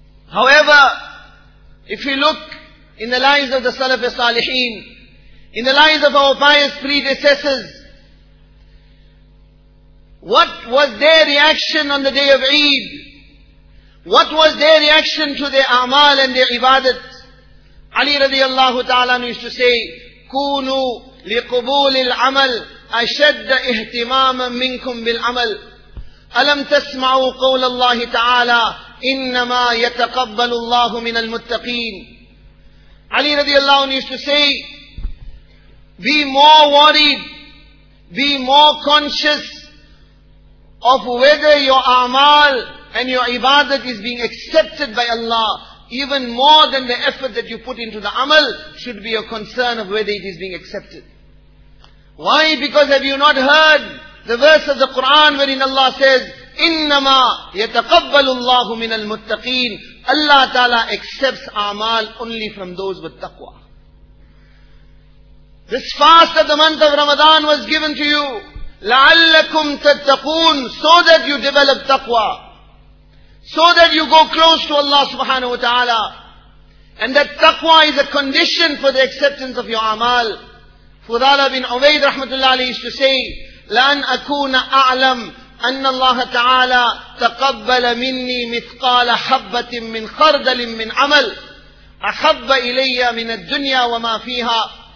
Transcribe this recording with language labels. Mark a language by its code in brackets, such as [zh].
[en] However, if we look in the lives of the Salaf al-Salihin, in the lives of our pious predecessors, what was their reaction on the day of Eid? What was their reaction to their amal and their ibadat? Ali radiallahu ta'ala used to say, [ar] كونوا لقبول العمل أشد اهتماما منكم بالعمل ألم تسمعوا قول الله تعالى إنما يتقبل الله من المتقين. [en] Ali رضي الله عنه used to say, be more worried, be more conscious of whether your amal and your ibadat is being accepted by Allah. Even more than the effort that you put into the amal, should be your concern of whether it is being accepted. Why? Because have you not heard the verse of the Quran wherein Allah says, [ar] إِنَّمَا يَتَقَبَّلُ اللَّهُ مِنَ الْمُتَّقِينَ. [en] Allah Ta'ala accepts amal only from those with taqwa. This fast of the month of Ramadan was given to you, [ar] لَعَلَّكُمْ تَتَّقُونَ, [en] so that you develop taqwa. So that you go close to Allah subhanahu wa ta'ala. And that taqwa is a condition for the acceptance of your amal. Fudala bin Ubayd rahmatullah alayhi used to say, [ar] لَأَنْ أَكُونَ أَعْلَمْ أَنَّ اللَّهَ تَعَالَى تَقَبَّلَ مِنِّي مِثْقَالَ حَبَّةٍ مِّنْ خَرْدَلٍ مِّنْ عَمَلٍ أَحَبَّ إِلَيَّ مِنَ الدُّنْيَا وَمَا فِيهَا.